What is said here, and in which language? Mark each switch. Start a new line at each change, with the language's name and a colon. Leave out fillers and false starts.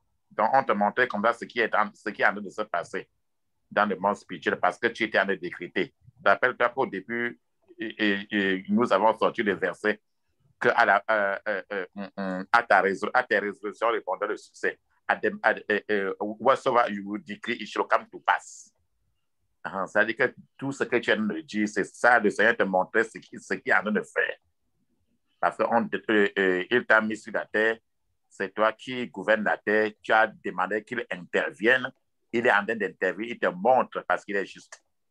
French: Donc, on te montrait comme ça ce qui est en train de se passer dans le monde spirituel parce que tu étais en train de décréter. Rappelle-toi qu'au début, et nous avons sorti le verset que à tes résolutions répondait le succès.
English: Whatsoever you decree, it shall come to pass.
French: Ça veut dire que tout ce que tu as dit, c'est ça, le Seigneur te montrait ce qu'il y a à nous de faire. Parce qu'il t'a mis sur la terre, c'est toi qui gouvernes la terre, tu as demandé qu'il intervienne, il est en train d'intervenir, il te montre parce qu'il est juste.